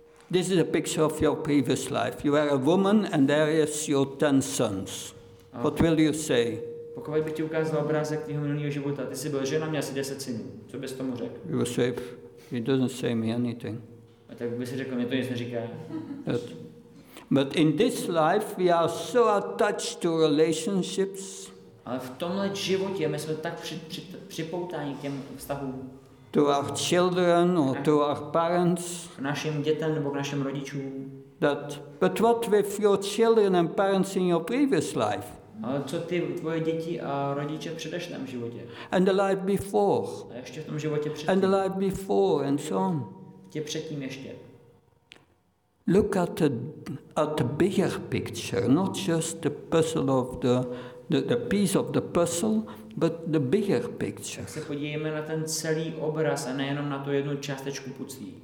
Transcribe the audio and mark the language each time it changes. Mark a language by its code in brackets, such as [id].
[en] This is a picture of your previous life. You are a woman and there is your 10 sons. Okay. What will you say? [cs] Pokud bych ti ukázal obrázek tvého minulého života, ty jsi byl žena, měl jsi 10 synů. Co bys tomu řekl? [en] You will say, he doesn't say me anything. [cs] A tak bys řekl, mě to nic neříká. [en] But in this life we are so attached to relationships. [cs] Ale v tomhle životě my jsme tak připoutáni k těm vztahům. [en] To our children or to our parents. [cs] K našim dětem nebo k našim rodičům. [en] But what with your children and parents in your previous life? [cs] Ale co ty, tvoje děti a rodiče v předešlém životě? [en] And the life before. [cs] A ještě v tom životě předtím. [en] And the life before and so on. [cs] Tě předtím ještě. [en] Look at the bigger picture, not just the puzzle of the piece of the puzzle, but the bigger picture. [cs] Tak se podívejme na ten celý obraz a nejenom na tu jednu částečku puzzle.